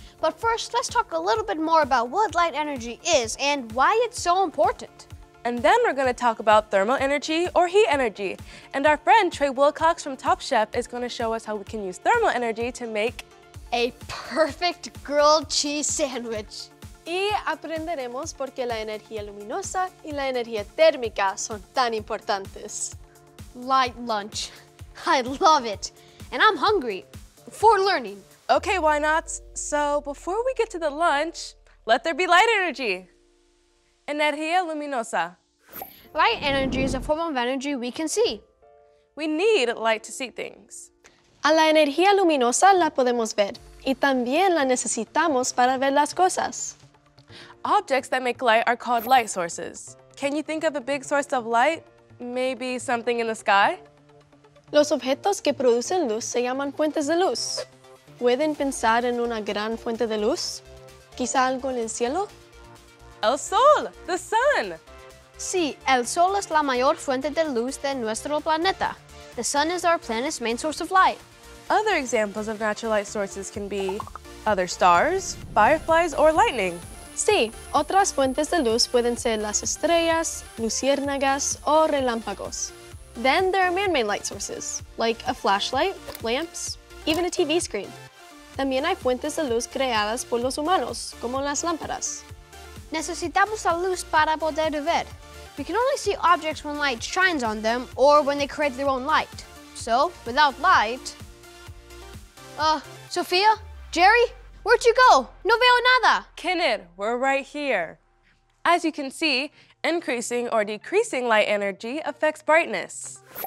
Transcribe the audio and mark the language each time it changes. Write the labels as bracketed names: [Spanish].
[English] But first, let's talk a little bit more about what light energy is and why it's so important. And then we're going to talk about thermal energy or heat energy. And our friend Trey Wilcox from Top Chef is going to show us how we can use thermal energy to make a perfect grilled cheese sandwich. [Spanish] Y aprenderemos por qué la energía luminosa y la energía térmica son tan importantes. [English] Light lunch. I love it. And I'm hungry for learning. Okay, Whynauts. So before we get to the lunch, let there be light energy. [Spanish] Energía luminosa. [English] Light energy is a form of energy we can see. We need light to see things. [Spanish] A la energía luminosa la podemos ver, y también la necesitamos para ver las cosas. [English] Objects that make light are called light sources. Can you think of a big source of light? Maybe something in the sky? [Spanish] Los objetos que producen luz se llaman fuentes de luz. ¿Pueden pensar en una gran fuente de luz? ¿Quizá algo en el cielo? El sol, [English] the sun. [Spanish] Sí, el sol es la mayor fuente de luz de nuestro planeta. [English] The sun is our planet's main source of light. Other examples of natural light sources can be other stars, fireflies, or lightning. [Spanish] Sí, otras fuentes de luz pueden ser las estrellas, luciérnagas, o relámpagos. [English] Then there are man-made light sources, like a flashlight, lamps, even a TV screen. [Spanish] También hay fuentes de luz creadas por los humanos, como las lámparas. Necesitamos la luz para poder ver. [English] We can only see objects when light shines on them or when they create their own light. So, without light... Sophia? Jerry? Where'd you go? [Spanish] No veo nada! [English] Kenneth, we're right here. As you can see, increasing or decreasing light energy affects brightness.